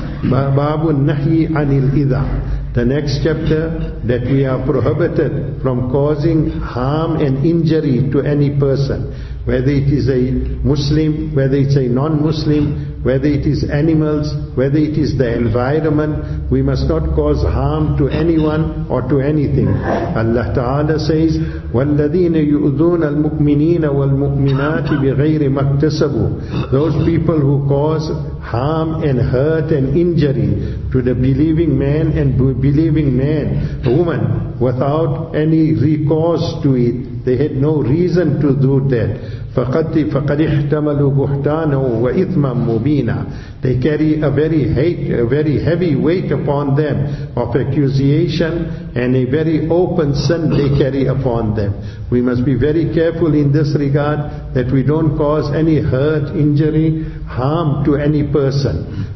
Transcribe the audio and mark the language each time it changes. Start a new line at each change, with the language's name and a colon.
English: Babu Nahi Anil Ida. The next chapter, that we are prohibited from causing harm and injury to any person, whether it is a Muslim, whether it's a non-Muslim, whether it is animals, whether it is the environment, we must not cause harm to anyone or to anything. Allah Ta'ala says,
Arabic: وَالَّذِينَ يُؤْذُونَ الْمُؤْمِنِينَ وَالْمُؤْمِنَاتِ بِغَيْرِ مَكْتَسَبُوا.
English: Those people who cause harm and hurt and injury to the believing man and believing man, woman, without any recourse to it, they had no reason to do that.
Arabic: فقد احتملوا بهتانا وإثما مبينا.
English: They carry a very heavy weight upon them of accusation, and a very open sin they carry upon them. We must be very careful in this regard that we don't cause any hurt, injury, harm to any person.